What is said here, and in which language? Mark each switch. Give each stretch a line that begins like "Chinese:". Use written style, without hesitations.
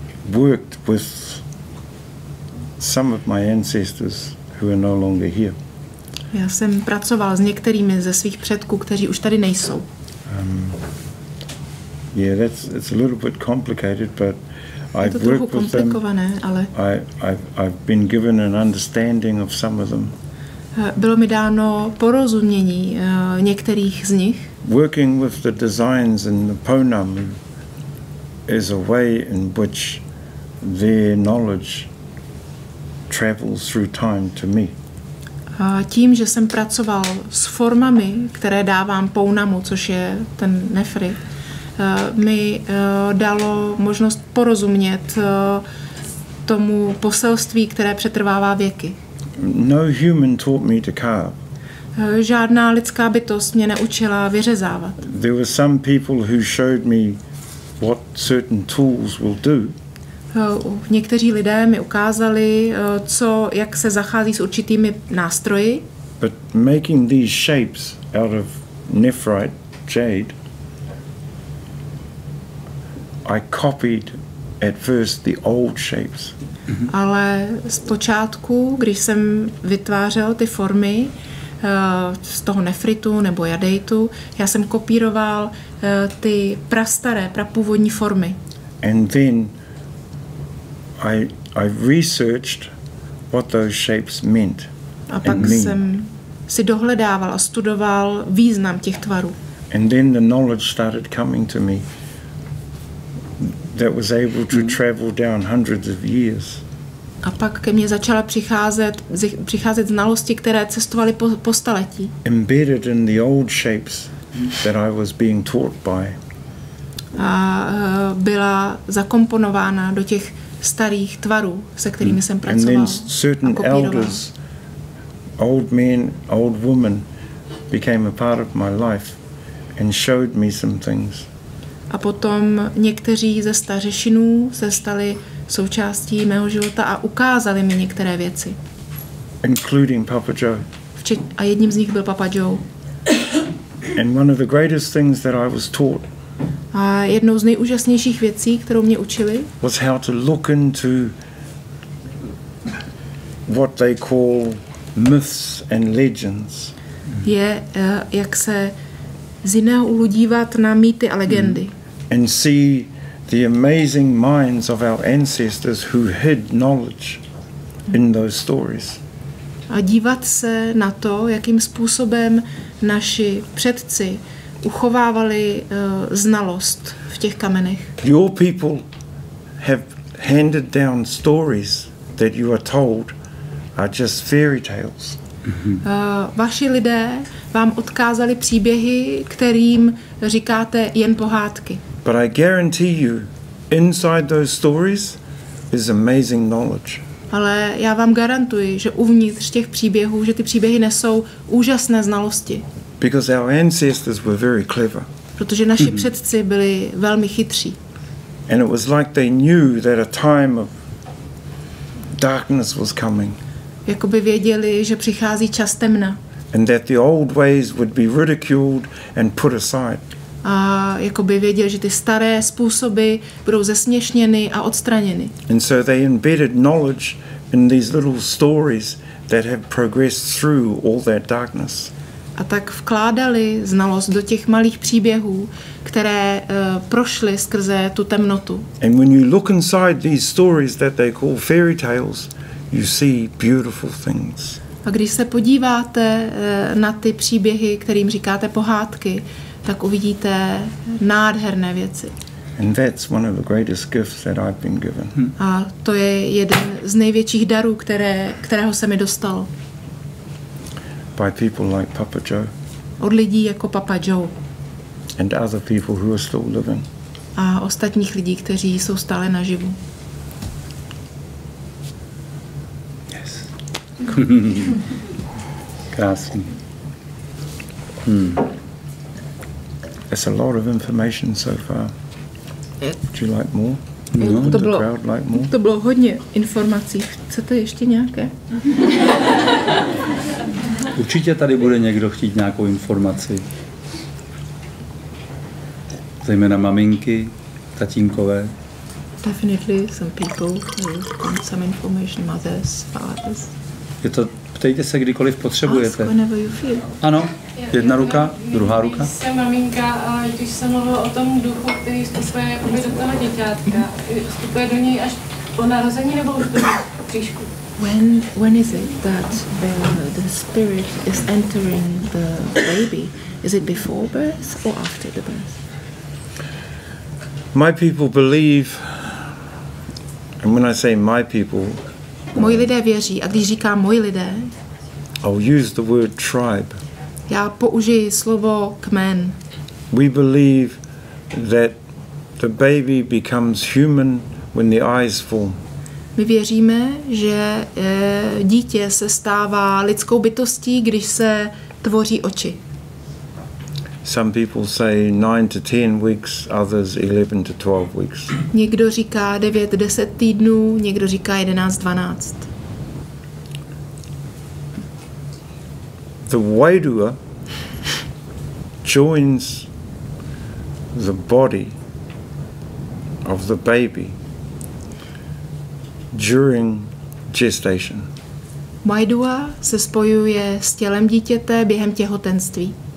English: worked with some of my ancestors who are no longer here.
Czech: Já jsem pracoval s některými ze svých předků, kteří už tady nejsou.
English: Yeah, that's it's a little bit complicated, but I've worked with them.
Czech: To trochu komplikované, ale.
English: I've been given an understanding of some of them.
Czech: Bylo mi dáno porozumění některých z nich.
English: Working with the designs in the Ponam is a way in which their knowledge travels through time to me.
Czech: Tím, že jsem pracoval s formami, které dávám Pounamu, což je ten Nefry, mi dalo možnost porozumět tomu poselství, které přetrvává věky.
English: No human taught me to carve.
Czech: Žádná lidská bytost mě neučila vyřezávat.
English: There were some people who showed me what certain tools will do.
Czech: Někteří lidé mi ukázali, co, jak se zachází s určitými nástroji.
English: But making these shapes out of nephrite jade, I copied at first the old shapes.
Czech: Ale zpočátku, když jsem vytvářel ty formy z toho nefritu nebo jadeitu, já jsem kopíroval ty prastaré, prapůvodní formy.
English: And then I researched what those shapes meant.
Czech: A pak jsem si dohledával a studoval význam těch tvarů.
English: And then the knowledge started coming to me that was able to travel down hundreds of years.
Czech: A pak ke mně začala přicházet znalosti, které cestovaly po staletí.
English: Embedded in the old shapes that I was being taught by.
Czech: A byla zakomponována do těch starých tvarů, se kterými jsem pracoval.
English: And then certain elders, old men, old women, became a part of my life and showed me some things.
Czech: A potom někteří ze stařešinů se stali součástí mého života a ukázali mi některé věci.
English: Including Papa Joe.
Czech: A jedním z nich byl Papa Joe.
English: And one of the greatest things that I was taught.
Czech: A jednou z nejúžasnějších věcí, kterou mě učili,
English: was how to look into what they call myths and legends.
Czech: Je, jak se z jiného úhlu dívat na mýty a legendy.
English: And see the amazing minds of our ancestors who hid knowledge in those stories.
Czech: A dívat se na to, jakým způsobem naši předci uchovávali znalost v těch kamenech.
English: Your people have handed down stories that you are told are just fairy tales.
Czech: Vaši lidé vám odkázali příběhy, kterým říkáte jen pohádky.
English: But I guarantee you, inside those stories is amazing knowledge.
Czech: Ale já vám garantuji, že uvnitř těch příběhů, že ty příběhy nesou úžasné znalosti.
English: Because our ancestors were very clever.
Czech: Protože naši předci byli velmi chytří.
English: And it was like they knew that a time of darkness was coming.
Czech: Jakoby věděli, že přichází čas temna.
English: And that the old ways would be ridiculed and put aside.
Czech: A jakoby věděli, že ty staré způsoby budou zesměšněny a odstraněny.
English: And so they embedded knowledge in these little stories that have progressed through all that darkness.
Czech: A tak vkládali znalost do těch malých příběhů, které prošly skrze tu temnotu.
English: And when you look inside these stories that they call fairy tales, you see beautiful things.
Czech: A když se podíváte na ty příběhy, kterým říkáte pohádky, tak uvidíte nádherné věci.
English: And that's one of the greatest gifts that I've been given.
Czech: A to je jeden z největších darů, kterého se mi dostalo.
English: By people like Papa Joe.
Czech: Od lidí jako Papa Joe.
English: And other people who are still living.
Czech: A ostatních lidí, kteří jsou stále naživu.
English: Yes.
Czech: Krásný.
English: It's a lot of information so far. Would you like more? No. Would the crowd like more?
Czech: To bylo hodně informací. Chcete ještě nějaké? Určitě tady bude někdo chtít nějakou informaci. Zejména maminky, tatínkové.
English: Definitely some people who want some information, mothers, fathers.
Czech: Je to, ptejte se, kdykoliv potřebujete.
English: Ask whenever you feel.
Czech: Ano, jedna ruka, druhá ruka. Já jsem maminka a když jsem mluvila o tom duchu, který vstupuje jakoby do toho děťátka, vstupuje do něj až po narození nebo už do příšku?
English: When is it that the spirit is entering the baby? Is it before birth or after the birth? My people believe, and when I say my people,
Czech: moji lidé věří, a když říkám moji lidé,
English: I'll use the word tribe.
Czech: Já použiji slovo kmen.
English: We believe that the baby becomes human when the eyes form.
Czech: My věříme, že dítě se stává lidskou bytostí, když se tvoří oči.
English: Some people say 9 to 10 weeks, others 11 to 12 weeks.
Czech: Někdo říká 9-10 týdnů, někdo říká 11-12.
English: The Wairua joins the body of the baby during gestation.
Czech: Wairua se spojuje s tělem dítěte během těhotenství.